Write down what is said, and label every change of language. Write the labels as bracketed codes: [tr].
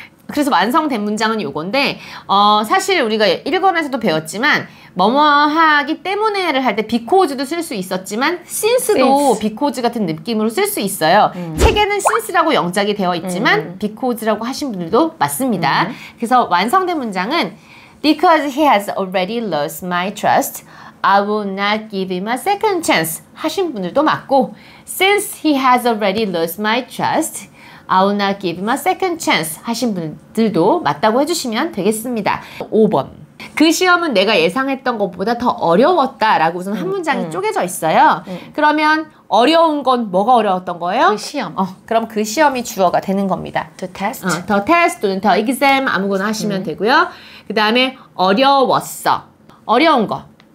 [ko] 그래서 완성된 문장은 요건데 사실 우리가 1권에서도 배웠지만 뭐뭐하기 때문에를 할 때 because도 쓸 수 있었지만 since도 because 같은 느낌으로 쓸 수 있어요. 책에는 since라고 영작이 되어 있지만 because라고 하신 분들도 많습니다. 그래서 완성된 문장은 [en] because he has already lost my trust, I will not give him a second chance [ko] 하신 분들도 맞고 [en] since he has already lost my trust, I will not give him a second chance [ko] 하신 분들도 맞다고 해주시면 되겠습니다. 5번. 그 시험은 내가 예상했던 것보다 더 어려웠다 라고 우선 한 문장이 쪼개져 있어요. 그러면 어려운 건 뭐가 어려웠던 거예요? 그 시험. 그럼 그 시험이 주어가 되는 겁니다. [en] The test. The test [ko] 또는 [en] the exam [ko] 아무거나 하시면 되고요. 그 다음에 어려웠어. 어려운 거.